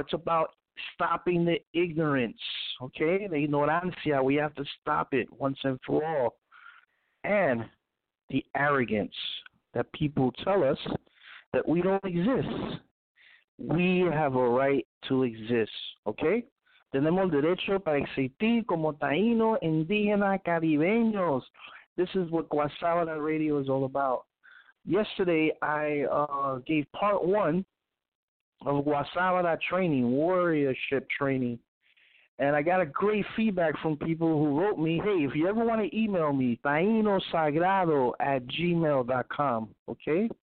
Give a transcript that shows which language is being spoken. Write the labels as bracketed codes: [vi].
[en] It's about stopping the ignorance, okay? The ignorancia, we have to stop it once and for all. And the arrogance that people tell us that we don't exist. We have a right to exist, okay? [es] Tenemos derecho para existir como Taino indígena caribeños. [en] This is what Guasabara Radio is all about. Yesterday, I gave part one of Guasabara training, warriorship training. And I got a great feedback from people who wrote me, hey, if you ever want to email me, tainosagrado@gmail.com, okay?